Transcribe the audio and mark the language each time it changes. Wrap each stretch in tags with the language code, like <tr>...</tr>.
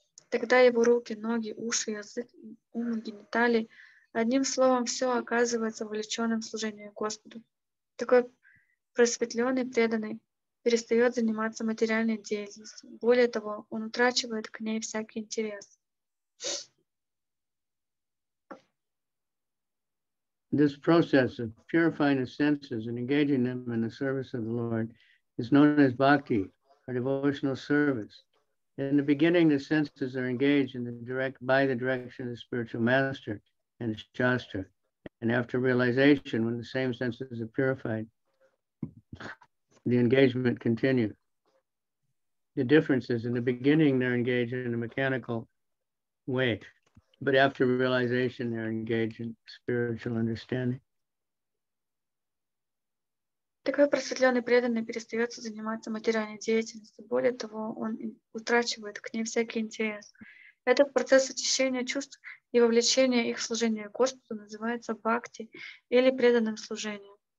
<ru>Тогда его руки, ноги, уши, язык, ум, гениталии, одним словом, все оказывается вовлеченным в служение Господу. Такой просветленный, преданный, перестает заниматься материальной деятельностью. Более того, он утрачивает к ней всякий интерес.</ru> <en>This process of purifying the senses and engaging them in the service of the Lord is known as bhakti, or devotional service. In the beginning, the senses are engaged in the direct by the direction of the spiritual master and his shastra. And after realization, when the same senses are purified, the engagement continues. The difference is, in the beginning, they're engaged in a mechanical way. But after realization, they're engaged in spiritual understanding.</en> <ru>Такой просветленный преданный перестается заниматься материальной деятельностью. Более того, он утрачивает к ней всякий интерес. Этот процесс очищения чувств и вовлечения их в служение Господу называется бхакти или преданным служением.</ru>